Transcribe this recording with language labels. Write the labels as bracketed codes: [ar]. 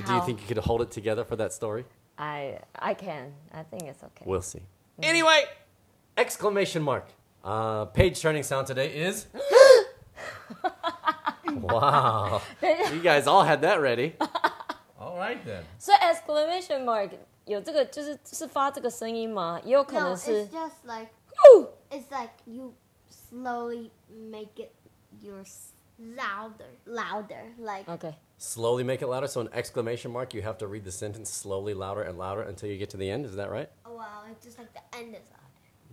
[en] Do you think you could hold it together for that story? I can. I think it's okay. We'll see. Mm-hmm. Anyway, exclamation mark. Page turning sound today is... Wow. You guys all had that ready. All right then. So exclamation mark, [zh] 有这个就是发这个声音吗? 也有可能是... [en] No, it's just like... Ooh! It's like you slowly make it your louder. Louder. Like... Okay. Slowly make it louder? So an exclamation mark, you have to read the sentence slowly louder and louder until you get to the end, is that right? Oh, wow, it's just like the end is louder.